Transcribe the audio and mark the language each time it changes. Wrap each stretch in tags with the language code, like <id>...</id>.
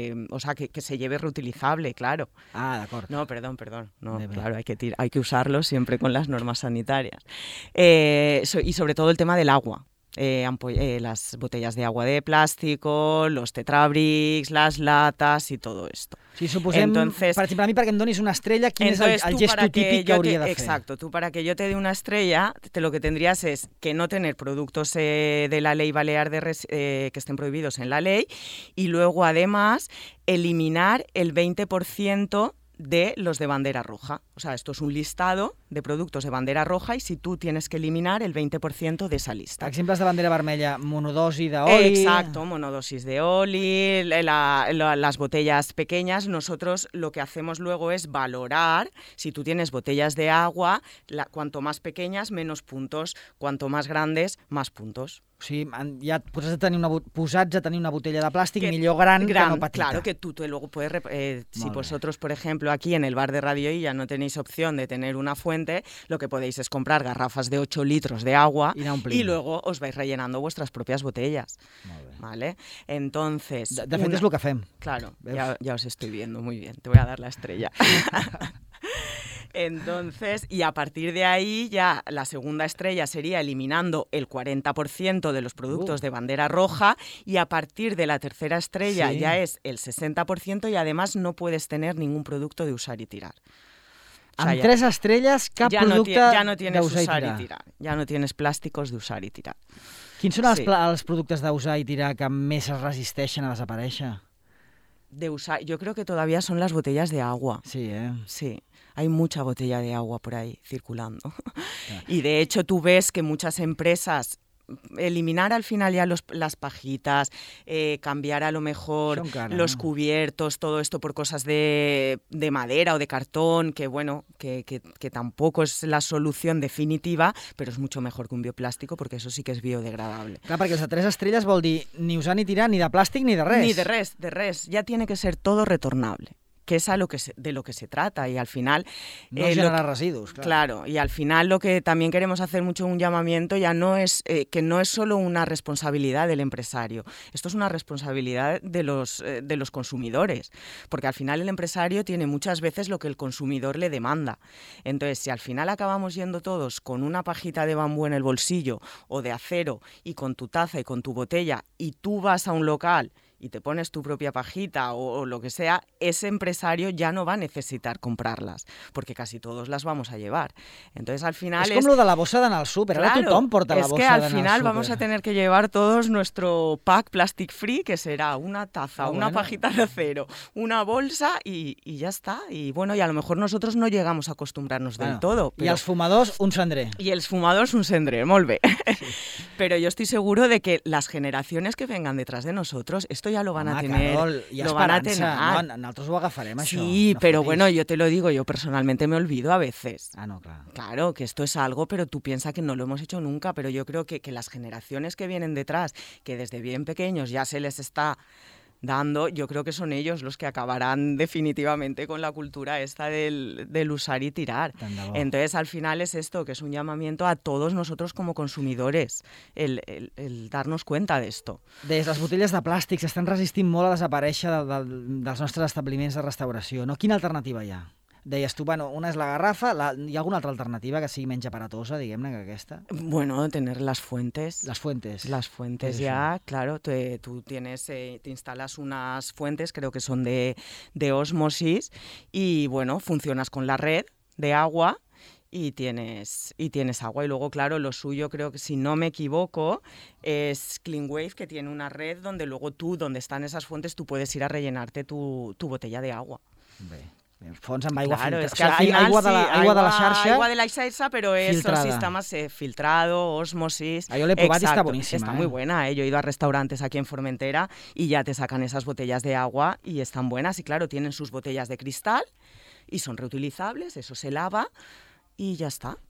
<es>O sea, que se lleve reutilizable, claro. Ah, de acuerdo. No, perdón. No, claro, hay que usarlo siempre con las normas sanitarias. Y sobre todo el tema del agua. Las botellas de agua de plástico, los tetrabricks, las latas y todo esto.</es> <ca>Si suposem, entonces, per exemple, a mi perquè em donis una estrella, quin és el gesto típic que hauria de fer?</ca> <es>Exacto, tú para que yo te dé una estrella, lo que tendrías es que no tener productos de la ley balear que estén prohibidos en la ley y luego además eliminar el 20% de los de bandera roja. O sea, esto es un listado de productos de bandera roja y si tú tienes que eliminar el 20% de esa lista.</es> <ca>Exemples de bandera vermella, monodosi d'oli...</ca> <es>Exacto, monodosis de oli, las botellas pequeñas. Nosotros lo que hacemos luego es valorar si tú tienes botellas de agua, cuanto más pequeñas, menos puntos, cuanto más grandes, más puntos.</es> <ca>O sigui, ja posats a tenir una botella de plàstic millor gran que no petita.</ca> <es>Claro, que tú luego puedes... si vosotros, por ejemplo, aquí en el bar de Radio Illa no tenéis opción de tener una fuente, lo que podéis es comprar garrafas de 8 litros de agua y luego os vais rellenando vuestras propias botellas. ¿Vale? Entonces...</es> <ca>De fet, és el que fem.</ca> <es>Claro, ya os estoy viendo muy bien. Te voy a dar la estrella. Entonces, y a partir de ahí ya la segunda estrella sería eliminando el 40% de los productos de bandera roja y a partir de la tercera estrella ya es el 60% y además no puedes tener ningún producto de usar y tirar.</es> <ca>Amb tres estrelles, cap producte d'usar i tirar.</ca> <es>Ja no tienes plàsticos</es> <ca>d'usar i tirar. Quins són els productes d'usar i tirar que més es resisteixen a desaparèixer?</ca> <es>De usar, yo creo que todavía son las botellas de agua. Sí, ¿eh? Sí. Hay mucha botella de agua por ahí circulando. Claro. Y de hecho tú ves que muchas empresas eliminar al final ya las pajitas, cambiar a lo mejor los cubiertos, todo esto por cosas de madera o de cartón, que bueno, que tampoco es la solución definitiva, pero es mucho mejor que un bioplástico, porque eso sí que es biodegradable.</es> <ca>Clar, perquè els de tres estrelles vol dir ni usar ni tirar, ni de plàstic, ni de res. Ni de res, de res.</ca> <es>Ya tiene que ser todo retornable. Que es a lo que de lo que se trata y al final... No generar residuos, claro. Claro, y al final lo que también queremos hacer mucho un llamamiento ya no es que no es solo una responsabilidad del empresario, esto es una responsabilidad de los consumidores, porque al final el empresario tiene muchas veces lo que el consumidor le demanda. Entonces, si al final acabamos yendo todos con una pajita de bambú en el bolsillo o de acero y con tu taza y con tu botella y tú vas a un local... y te pones tu propia pajita o lo que sea, ese empresario ya no va a necesitar comprarlas, porque casi todos las vamos a llevar. Entonces, al final es como lo de</es> <ca>la bossa d'anar al súper,</ca> <es>claro,</es> <ca>ahora tothom porta la bossa.</ca> <es>Es que al final vamos a tener que llevar todos nuestro pack plastic free, que será una taza, una pajita de acero, una bolsa y ya está. Y bueno, y a lo mejor nosotros no llegamos a acostumbrarnos del todo.</es> <ca>Pero... Y els fumadors, un cendré. Y els fumadors, un cendré, molt bé.</ca> <es>Pero yo estoy seguro de que las generaciones que vengan detrás de nosotros... Esto ya lo van a tener. Carol, y lo van a tener. No, nosotros lo agafaremos. Sí,</es> <ca>això, no</ca> <es>pero bueno, yo te lo digo, yo personalmente me olvido a veces. Ah, no, claro. Claro, que esto es algo, pero tú piensas que no lo hemos hecho nunca, pero yo creo que las generaciones que vienen detrás, que desde bien pequeños ya se les está dando, yo creo que son ellos los que acabarán definitivamente con la cultura esta del usar y tirar. Entonces, al final es esto, que es un llamamiento a todos nosotros como consumidores, el darnos cuenta de esto.</es> <ca>Des, les botelles de plàstic s'estan resistint molt a desaparèixer dels nostres establiments de restauració, no? Quina alternativa hi ha? Deies tu, bueno, una és la garrafa, hi ha alguna altra alternativa que sigui menys aparatosa, diguem-ne, que aquesta?</ca> <es>Bueno, tener las fuentes. Las fuentes. Las fuentes, ya, claro, tú tienes, te instalas unas fuentes, creo que son de osmosis, y bueno, funcionas con la red de agua y tienes agua. Y luego, claro, lo suyo, creo que si no me equivoco, es CleanWave, que tiene una red donde luego tú, donde están esas fuentes, tú puedes ir a rellenarte tu botella de agua.</es> <ca>Bé. Fons amb aigua,</ca> <es>claro,</es> <ca>filtrada. O sigui, aigua de la xarxa. Aigua de la xarxa, però és un sistema filtrado, osmosis. Jo l'he provat i està boníssima. Està molt bona.</ca> <es>Jo he ido a restaurantes aquí en Formentera i ja te sacan esas botellas de agua i estan buenas. I claro, tienen sus botellas de cristal i són reutilizables, eso se lava i ja està.</es>